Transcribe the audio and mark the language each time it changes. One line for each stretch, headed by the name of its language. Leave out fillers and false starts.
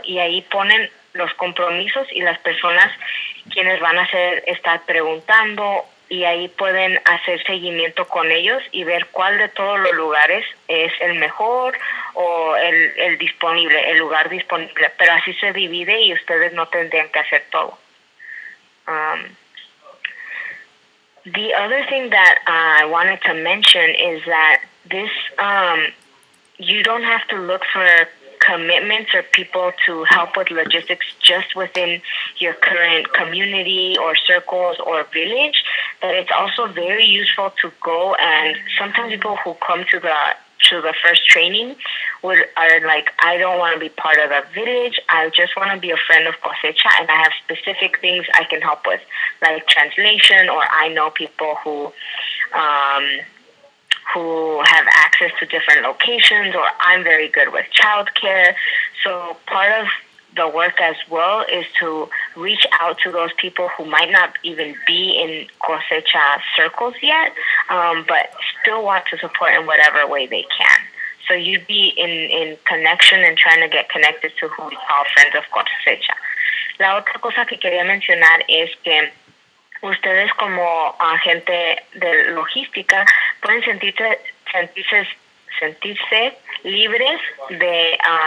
Spanish: Y ahí ponen los compromisos y las personas quienes van a hacer estar preguntando, y ahí pueden hacer seguimiento con ellos y ver cuál de todos los lugares es el mejor o el disponible, el lugar disponible. Pero así se divide y ustedes no tendrían que hacer todo.
English: The other thing that I wanted to mention is that this, you don't have to look for commitments or people to help with logistics just within your current community or circles or village, but it's also very useful to go, and sometimes people who come to the first training are like, I don't want to be part of a village. I just want to be a friend of Cosecha, and I have specific things I can help with, like translation, or I know people who have access to different locations, or I'm very good with childcare. So part of the work as well is to reach out to those people who might not even be in Cosecha circles yet, but still want to support in whatever way they can. So you'd be in connection and trying to get connected to who we call friends of cosecha.
Spanish: La otra cosa que quería mencionar es que ustedes como agente de logística pueden sentirse libres de